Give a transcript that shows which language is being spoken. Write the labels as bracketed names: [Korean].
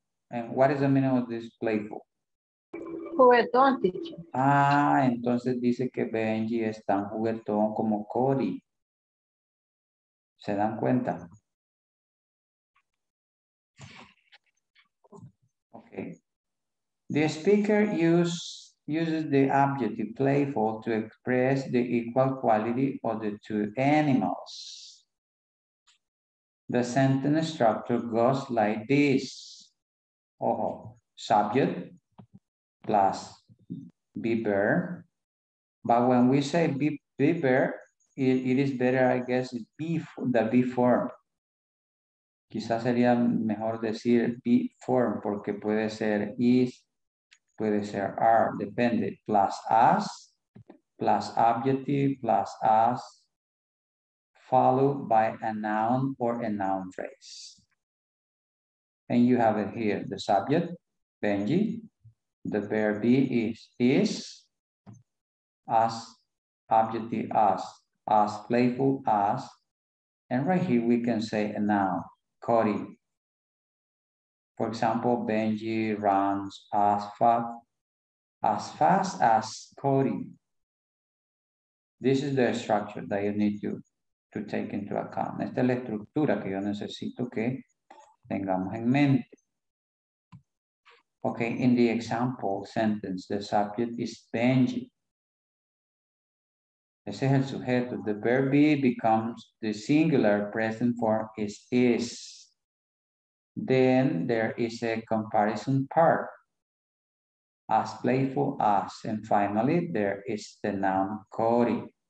[English] And what is the meaning of this playful? [Spanish] Juguetón, teacher. Ah, entonces dice que Benji es tan juguetón como Cody. ¿Se dan cuenta? [English] Okay. The speaker uses the adjective playful to express the equal quality of the two animals. The sentence structure goes like this. Oh, subject plus be bear. But when we say be bear, it is better, I guess, the be form. [Spanish] Quizás sería mejor decir be form, porque puede ser is, puede ser are, depende. [English] Plus as, plus adjective, plus as, followed by a noun or a noun phrase. And you have it here, the subject, Benji. The verb be is, as, adjective as, playful as. And right here we can say a noun. Cody. For example, Benji runs as fast as Cody. This is the structure that you need to take into account. [Spanish] Esta es la estructura que yo necesito que tengamos en mente. [English] Okay, in the example sentence, the subject is Benji. [Spanish] Ese es el sujeto. [English] The verb be becomes the singular present form is. Then there is a comparison part, as playful as, and finally there is the noun Cody.